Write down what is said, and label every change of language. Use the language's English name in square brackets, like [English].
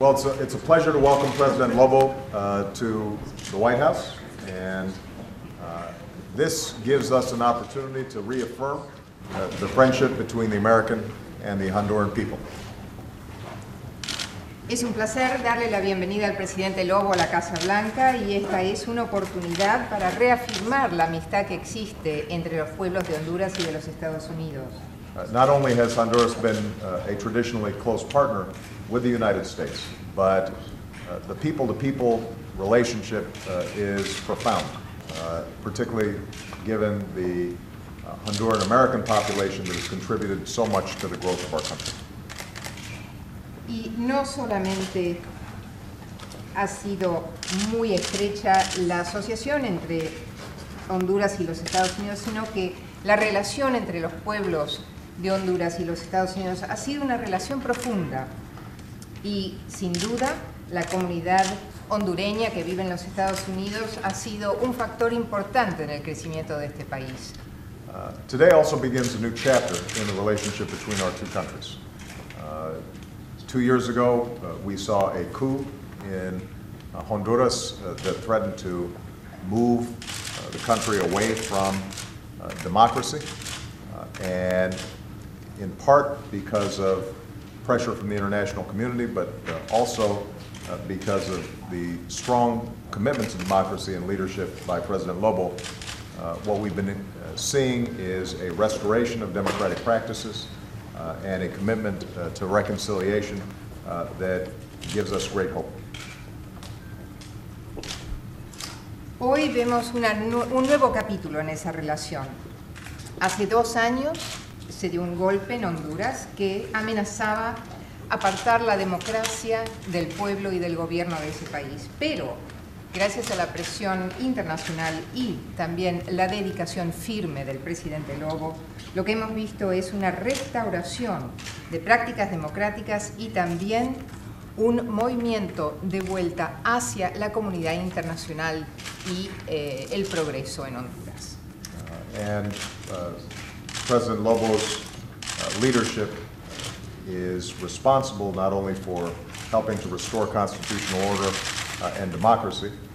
[English] Well, it's a pleasure to welcome President Lobo to the White House, and this gives us an opportunity to reaffirm the friendship between the American and the Honduran people. [Spanish] Es un placer darle la bienvenida al presidente Lobo a la Casa Blanca, y esta es una oportunidad para reafirmar la amistad que existe entre los pueblos de Honduras y de los Estados Unidos. [English] Not only has Honduras been a traditionally close partner with the United States, but the people-to-people relationship is profound, particularly given the Honduran-American population that has contributed so much to the growth of our country. [Spanish] Y no solamente ha sido muy estrecha la asociación entre Honduras y los Estados Unidos, sino que la relación entre los pueblos de Honduras y los Estados Unidos ha sido una relación profunda. Y sin duda, la comunidad hondureña que vive en los Estados Unidos ha sido un factor importante en el crecimiento de este país. [English] Today also begins a new chapter in the relationship between our two countries. 2 years ago, we saw a coup in Honduras that threatened to move the country away from democracy, and in part because of pressure from the international community, but also because of the strong commitment to democracy and leadership by President Lobo, what we've been seeing is a restoration of democratic practices and a commitment to reconciliation that gives us great hope. [Spanish] Hoy vemos un nuevo capítulo en esa relación. Hace 2 años se dio un golpe en Honduras que amenazaba apartar la democracia del pueblo y del gobierno de ese país. Pero, gracias a la presión internacional y también la dedicación firme del presidente Lobo, lo que hemos visto es una restauración de prácticas democráticas y también un movimiento de vuelta hacia la comunidad internacional y el progreso en Honduras. [English] President Lobo's leadership is responsible not only for helping to restore constitutional order and democracy